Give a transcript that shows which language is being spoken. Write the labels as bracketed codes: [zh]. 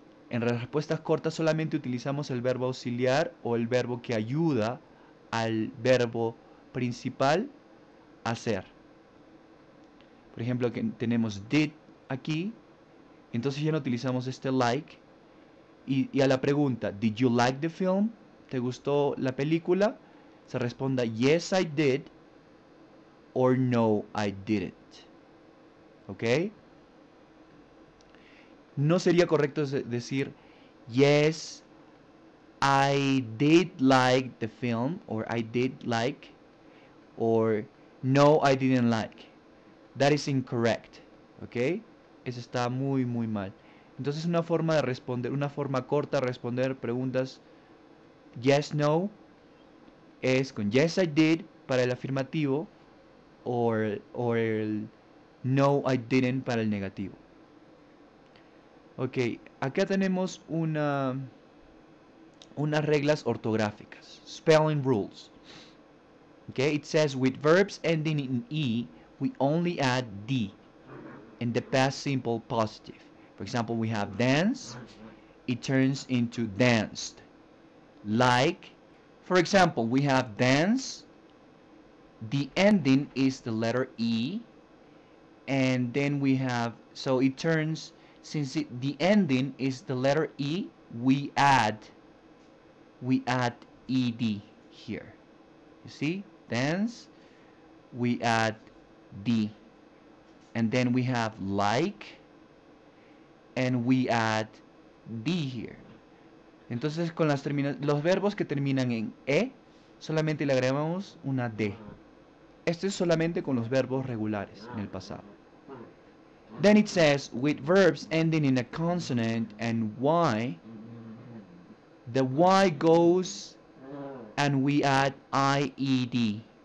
[es] En las respuestas cortas, solamente utilizamos el verbo auxiliar o el verbo que ayuda al verbo principal hacer. Por ejemplo, que tenemos did aquí, entonces ya no utilizamos este like. Y a la pregunta, [en] did you like the film? [es] ¿Te gustó la película? Se responda, [en] yes, I did, or no, I didn't. ¿Ok? [es] No sería correcto decir, [en] yes, I did like the film, or I did like, or no, I didn't like. That is incorrect, [es] ¿ok? Eso está muy, muy mal. Entonces, una forma de responder, una forma corta de responder preguntas, yes, no, es con [en] yes, I did [es] para el afirmativo, o el [en] no, I didn't [es] para el negativo. Ok, acá tenemos unas reglas ortográficas, spelling rules. [en] Okay, it says with verbs ending in E, we only add D in the past simple positive. For example, we have dance, it turns into danced. Like, for example, we have dance, the ending is the letter E, and then we have, so it turns, since the ending is the letter E, we add ED here. You see? Dance, we add D. And then we have like, and we add D here. [es] Entonces, con las termina los verbos que terminan en E, solamente le agregamos una D. Esto es solamente con los verbos regulares en el pasado. [en] Then it says, with verbs ending in a consonant and Y, the Y goes and we add IED.